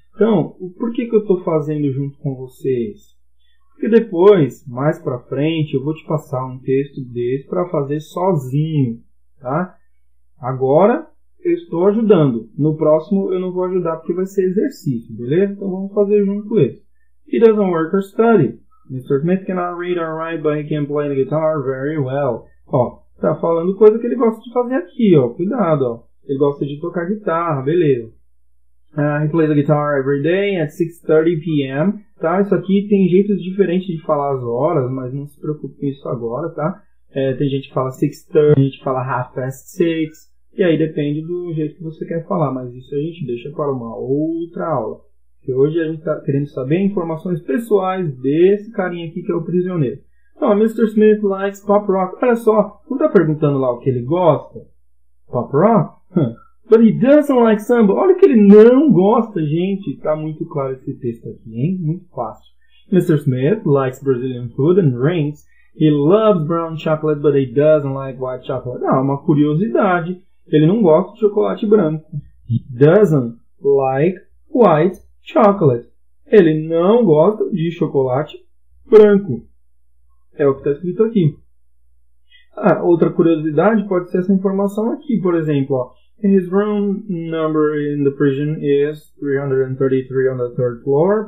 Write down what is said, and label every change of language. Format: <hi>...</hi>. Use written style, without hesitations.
<pt>Então, por que que eu estou fazendo junto com vocês? Porque depois, mais para frente, eu vou te passar um texto desse para fazer sozinho, tá? Agora eu estou ajudando. No próximo eu não vou ajudar porque vai ser exercício, beleza? Então vamos fazer junto com ele.</pt> <en>He doesn't work or study. Mr. Smith cannot read or write, but he can play the guitar very well.</en> <pt>Ó, tá falando coisa que ele gosta de fazer aqui, ó. Cuidado, ó. Ele gosta de tocar guitarra, beleza.</pt> <en>He plays the guitar every day at 6:30 p.m.</en> <pt>Tá? Isso aqui tem jeitos diferentes de falar as horas, mas não se preocupe com isso agora, tá? É, tem gente que fala 6:30, tem gente que fala</pt> <en>half past 6.</en> <pt>E aí depende do jeito que você quer falar, mas isso a gente deixa para uma outra aula. Porque hoje a gente está querendo saber informações pessoais desse carinha aqui que é o prisioneiro. Então, Mr.</pt> <en>Smith likes pop rock.</en> <pt>Olha só, não está perguntando lá o que ele gosta?</pt> <en>Pop rock? But he doesn't like samba.</en> <pt>Olha que ele não gosta, gente. Está muito claro esse texto aqui, hein? Muito fácil. Mr.</pt> <en>Smith likes Brazilian food and drinks. He loves brown chocolate, but he doesn't like white chocolate.</en> <pt>Ah, uma curiosidade. Ele não gosta de chocolate branco.</pt> <en>He doesn't like white chocolate.</en> <pt>Ele não gosta de chocolate branco. É o que está escrito aqui. Ah, outra curiosidade pode ser essa informação aqui, por exemplo, ó.</pt> <en>His room number in the prison is 333 on the third floor.</en>